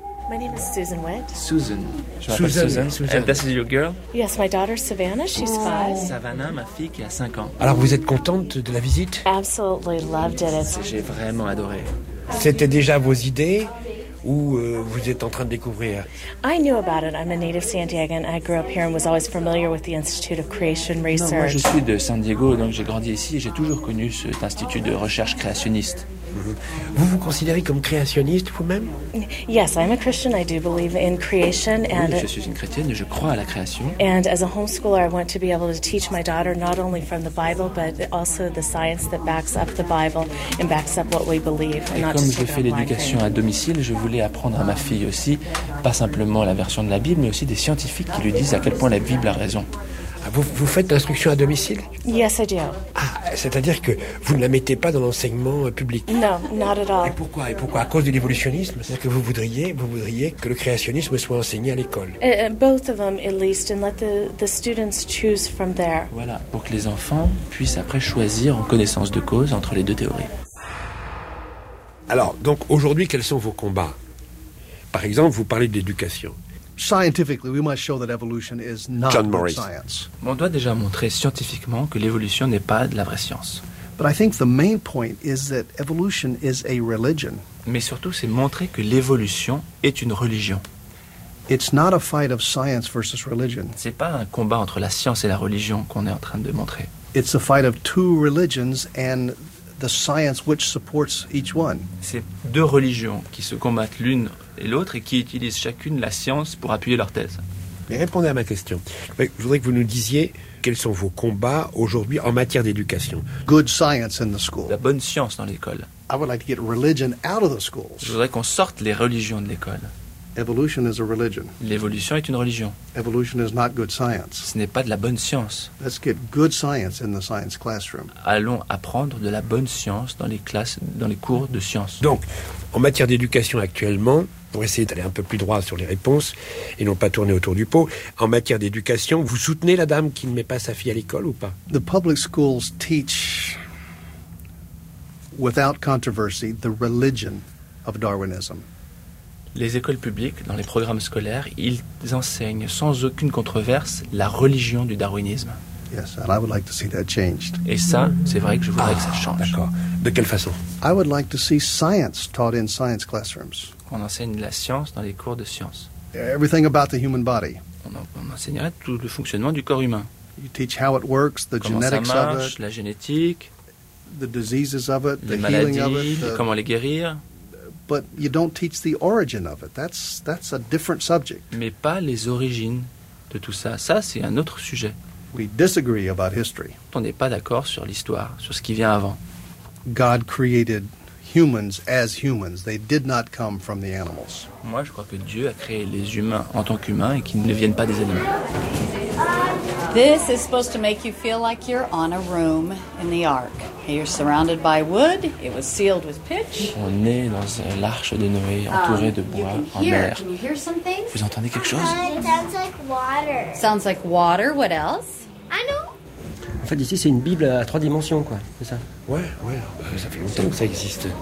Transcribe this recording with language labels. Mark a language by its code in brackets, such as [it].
[en] My name is Susan Witt. Susan. And this is your girl? Yes, my daughter Savannah, she's 5. [fr] Savannah, ma fille qui a 5 ans. Alors vous êtes contente de la visite? [en] Absolutely loved it. [fr] J'ai vraiment adoré. C'était déjà vos idées ou vous êtes en train de découvrir? [en] I knew about it. I'm a native San Diegan. I grew up here and was always familiar with the Institute of Creation Research. [fr] Non, moi je suis de San Diego, donc j'ai grandi ici et j'ai toujours connu cet institut de recherche créationniste. Vous vous considérez comme créationniste vous-même? [en] Yes, I'm a Christian. I do believe in creation. [fr] Oui, je suis une chrétienne et je crois à la création. [en] And as a homeschooler, I want to be able to teach my daughter not only from the Bible, but also the science that backs up the Bible and backs up what we believe. [fr] Et comme je fais l'éducation à domicile, je voulais apprendre à ma fille aussi, pas simplement la version de la Bible, mais aussi des scientifiques qui lui disent à quel point la Bible a raison. Vous faites l'instruction à domicile? [en] Yes, I do. [fr] Ah, c'est-à-dire que vous ne la mettez pas dans l'enseignement public? [en] No, not at all. [fr] Et pourquoi? À cause de l'évolutionnisme? C'est-à-dire que vous voudriez que le créationnisme soit enseigné à l'école? [en] Both of them, at least, and let the students choose from there. [fr] Voilà, pour que les enfants puissent après choisir en connaissance de cause entre les deux théories. Alors, donc, aujourd'hui, quels sont vos combats? Par exemple, vous parlez d'éducation. [en] Scientifically, we must show that evolution is not good science. [fr] On doit déjà montrer scientifiquement que l'évolution n'est pas de la vraie science. [en] But I think the main point is that evolution is a religion. [fr] Mais surtout, c'est montrer que l'évolution est une religion. [en] It's not a fight of science versus religion. [fr] C'est pas un combat entre la science et la religion qu'on est en train de montrer. [en] It's a fight of two religions and the science which supports each one. [fr] C'est deux religions qui se combattent l'une et l'autre, et qui utilisent chacune la science pour appuyer leur thèse. Mais répondez à ma question. Je voudrais que vous nous disiez quels sont vos combats aujourd'hui en matière d'éducation. [en] Good science in the school. [fr] La bonne science dans l'école. [en] I would like to get religion out of the schools. [fr] Je voudrais qu'on sorte les religions de l'école. [en] Evolution is a religion. [fr] L'évolution est une religion. [en] Evolution is not good science. [fr] Ce n'est pas de la bonne science. [en] Let's get good science in the science classroom. [fr] Allons apprendre de la bonne science dans les classes, dans les cours de science. Donc, en matière d'éducation actuellement, pour essayer d'aller un peu plus droit sur les réponses et non pas tourner autour du pot, en matière d'éducation, vous soutenez la dame qui ne met pas sa fille à l'école ou pas? [en] The public schools teach, without controversy, the religion of Darwinism. [fr] Les écoles publiques, dans les programmes scolaires, ils enseignent sans aucune controverse la religion du darwinisme. [en] Yes, and I would like to see that changed. [fr] Et ça, c'est vrai que je voudrais que ça change. D'accord. De quelle façon? [en] I would like to see science taught in science classrooms. [fr] On enseigne la science dans les cours de science. [en] Everything about the human body. [fr] On enseignerait tout le fonctionnement du corps humain. [en] You teach how it works, the genetics of it. [fr] Comment ça marche, la génétique. [en] The diseases of it, [fr] les maladies, comment les guérir. [en] But you don't teach the origin of it. That's a different subject. [fr] Mais pas les origines de tout ça. Ça, c'est un autre sujet. [en] We disagree about history. [fr] On n'est pas d'accord sur l'histoire, sur ce qui vient avant. [en] God created humans as humans. They did not come from the animals. [fr] Moi, je crois que Dieu a créé les humains en tant qu'humains et qu'ils ne viennent pas des animaux. [en] This is supposed to make you feel like you're on a room in the ark. You're surrounded by wood. It was sealed with pitch. [fr] On est dans l'arche de Noé, entouré de bois en mer. [en] Can you hear something? [fr] Vous entendez quelque chose? [en] It sounds like water. Sounds like water. What else? I know. [fr] En fait, ici, c'est une Bible à trois dimensions, quoi. C'est ça? Ouais. Ça fait longtemps que ça existe.